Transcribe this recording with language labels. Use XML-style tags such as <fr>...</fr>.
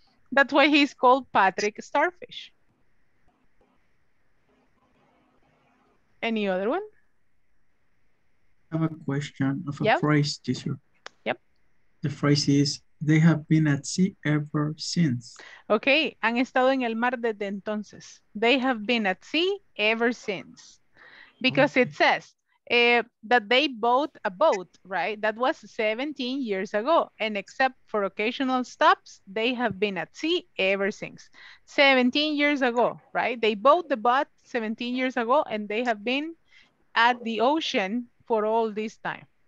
<en>That's why he's called Patrick Starfish. Any other one? I have a question of a phrase, teacher. Yep. The phrase is, they have been at sea ever since.</en> <es>Okay, han estado en el mar desde entonces.</es> <en>They have been at sea ever since. Because it says that they bought a boat, right? That was 17 years ago. And except for occasional stops, they have been at sea ever since. 17 years ago, right? They bought the boat 17 years ago and they have been at the ocean for all this time.</en>